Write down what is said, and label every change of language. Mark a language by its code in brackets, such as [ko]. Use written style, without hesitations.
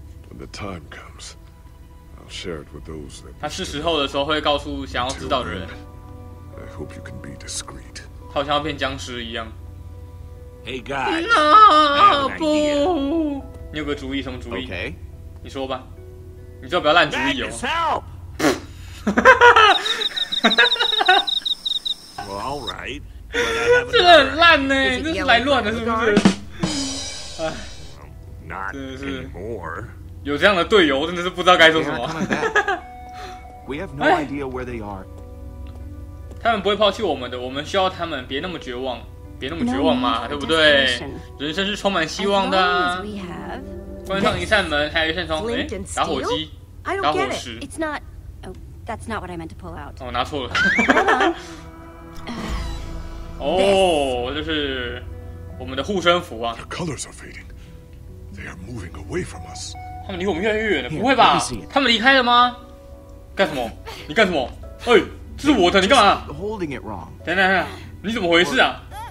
[en] When the time comes, I'll share it with those that. [zh] 他是时候的时候会告诉想要知道的人。 [en] I hope you can be discreet. [zh] 好像要变僵尸一样。 [en] Hey guys. [zh] No, 不。你有个主意？什么主意 [en] ？OK. [zh] 你说吧。你最好不要烂主意哦。 [en] Well, all right. [zh] 这个很烂呢，这是来乱的，是不是？真的是有这样的队友，真的是不知道该说什么。 [en] We have no idea where they are. [zh] 他们不会抛弃我们的，我们需要他们，别那么绝望，别那么绝望嘛，对不对？人生是充满希望的。关上一扇门，还有一扇窗，哎，打火机，打火石。 [en] It's not. Oh, that's not what I meant to pull out. [zh] 哦，拿错了。哦，就是我们的护身符啊。 [en] The colors are fading. They are moving away from us. [zh] 他们离我们越来越远了，不会吧？他们离开了吗？干什么？你干什么？哎，这是我的，你干嘛？等等等等，你怎么回事啊？